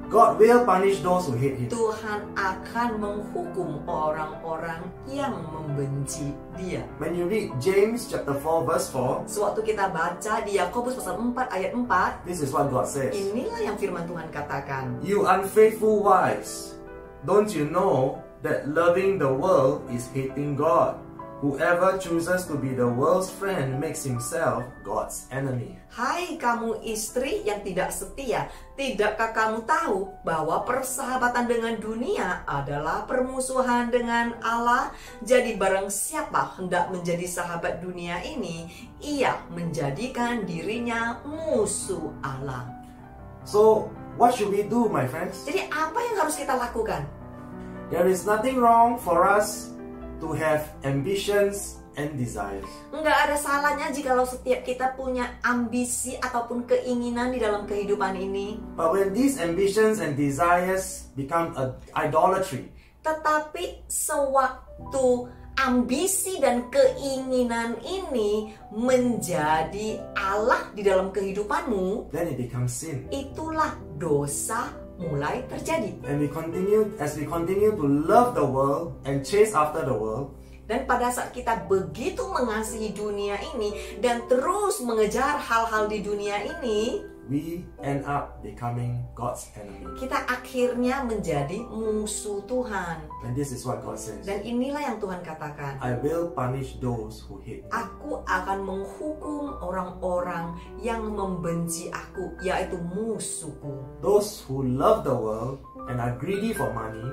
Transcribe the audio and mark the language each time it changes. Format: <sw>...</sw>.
<en>God will punish those who hate him.</en> <id>Tuhan akan menghukum orang-orang yang membenci dia.</id> <en>When you read James chapter 4 verse 4,</en> <id>sewaktu kita baca di Yakobus pasal 4 ayat 4,</id> <en>this is what God says.</en> <id>Inilah yang firman Tuhan katakan.</id> <en>You unfaithful wives, don't you know that loving the world is hating God? Whoever chooses to be the world's friend makes himself God's enemy.</en> <id>Hai kamu istri yang tidak setia, tidakkah kamu tahu bahwa persahabatan dengan dunia adalah permusuhan dengan Allah? Jadi barang siapa hendak menjadi sahabat dunia ini, ia menjadikan dirinya musuh Allah.</id> <en>So, what should we do, my friends?</en> <id>Jadi apa yang harus kita lakukan?</id> <en>There is nothing wrong for us to have ambitions and desires.</en> <id>Enggak ada salahnya jikalau setiap kita punya ambisi ataupun keinginan di dalam kehidupan ini.</id> <en>But when these ambitions and desires become a idolatry.</en> <id>Tetapi sewaktu ambisi dan keinginan ini menjadi Allah di dalam kehidupanmu,</id> <en>then it becomes sin.</en> <id>Itulah dosa mulai terjadi.</id> <en>And we continue to love the world and chase after the world.</en> <id>Dan pada saat kita begitu mengasihi dunia ini dan terus mengejar hal-hal di dunia ini,</id> <en>we end up becoming God's enemy.</en> <id>Kita akhirnya menjadi musuh Tuhan.</id> <en>And this is what God says.</en> <id>Dan inilah yang Tuhan katakan.</id> <en>I will punish those who hate.</en> <id>Aku akan menghukum orang-orang yang membenci aku, yaitu musuhku.</id> <en>Those who love the world and are greedy for money.</en>